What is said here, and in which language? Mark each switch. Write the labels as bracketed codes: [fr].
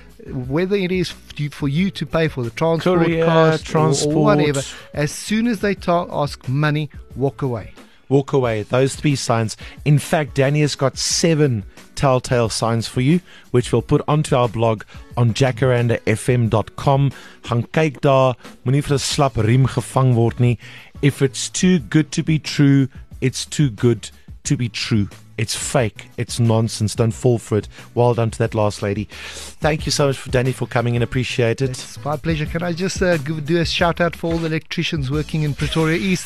[en] Whether it is for you to pay for the transport cost, or whatever, as soon as they ask money, walk away. Walk away. Those 3 signs. In fact, Danny has got 7 telltale signs for you, which we'll put onto our blog on jacarandafm.com. [af] Gaan kyk daar. Moenie vir 'n slap riem gevang word nie. [en] If it's too good to be true, it's too good to be true. It's fake. It's nonsense. Don't fall for it. Well done to that last lady. Thank you so much, Danny, for coming in. Appreciate it. It's my pleasure. Can I just do a shout out for all the electricians working in Pretoria East?